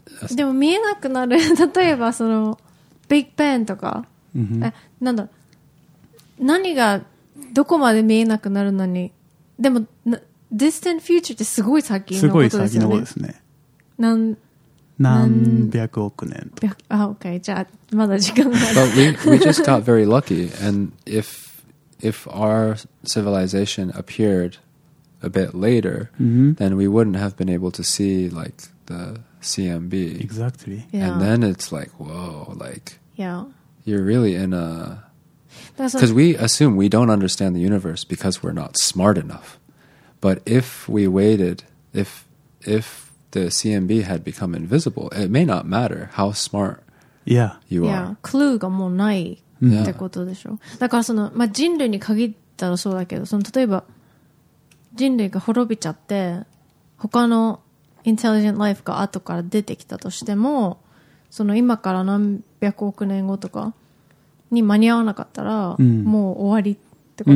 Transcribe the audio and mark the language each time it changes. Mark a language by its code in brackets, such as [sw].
[ja] でも見えなくなる。例えばその Big Bang とか なんだ、何がどこまで見えなくなるのに、でも [en] distant future [ja] ってすごい先のことですよね。すごい先のことですね。何百億年。あ、OK、じゃあまだ時間がある。 [en] But we just got very lucky, and if our civilization appeared a bit later, then we wouldn't have been able to see like the CMB. Exactly. Yeah. And then it's like, whoa, like, yeah, you're really in a... Because we assume we don't understand the universe because we're not smart enough. But if we waited, if the CMB had become invisible, it may not matter how smart you are. [ja] Yeah, clue がもうないってことでしょ。だからその、まあ人類に限ったらそうだけど、その例えば人類が滅びちゃって他のインテリジェントライフが後から出てきたとしても、その今から何百億年後とかに間に合わなかったら、うん、もう終わりってこと、